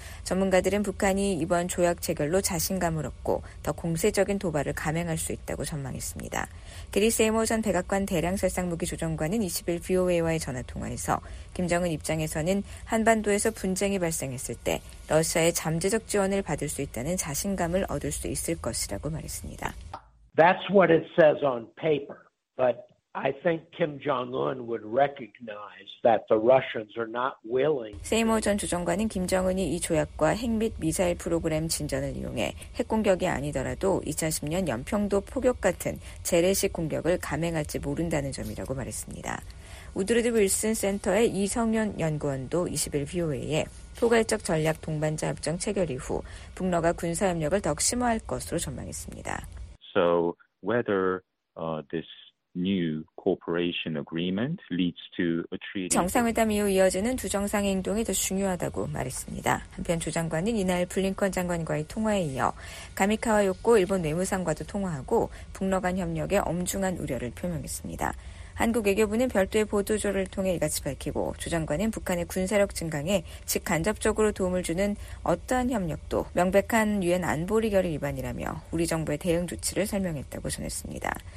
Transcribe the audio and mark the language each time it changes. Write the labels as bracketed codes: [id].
[ko] 전문가들은 북한이 이번 조약 체결로 자신감을 얻고 더 공세적인 도발을 감행할 수 있다고 전망했습니다. 게리 세이머 전 백악관 대량살상무기 조정관은 20일 VOA와의 전화통화에서 김정은 입장에서는 한반도에서 분쟁이 발생했을 때 러시아의 잠재적 지원을 받을 수 있다는 자신감을 얻을 수 있을 것이라고 말했습니다. [en] That's what it says on paper, but I think Kim Jong-un would recognize that the Russians are not willing. [ko] 세이머 전 조정관은 김정은이 이 조약과 핵 및 미사일 프로그램 진전을 이용해 핵공격이 아니더라도 2010년 연평도 폭격 같은 재래식 공격을 감행할지 모른다는 점이라고 말했습니다. 우드르드 윌슨 센터의 이성윤 연구원도 21 VOA에 포괄적 전략 동반자 협정 체결 이후 북러가 군사협력을 더욱 심화할 것으로 전망했습니다. [en] So whether this new cooperation agreement leads to a treaty. [ko] 정상회담 이후 이어지는 두 정상의 행동이 더 중요하다고 말했습니다. 한편 조 장관은 이날 블링컨 장관과의 통화에 이어 가미카와 요코 일본 외무상과도 통화하고 북러 간 협력에 엄중한 우려를 표명했습니다. 한국 외교부는 별도의 보도조를 통해 이같이 밝히고 조 장관은 북한의 군사력 증강에 직간접적으로 도움을 주는 어떠한 협력도 명백한 유엔 안보리 결의 위반이라며 우리 정부의 대응 조치를 설명했다고 전했습니다.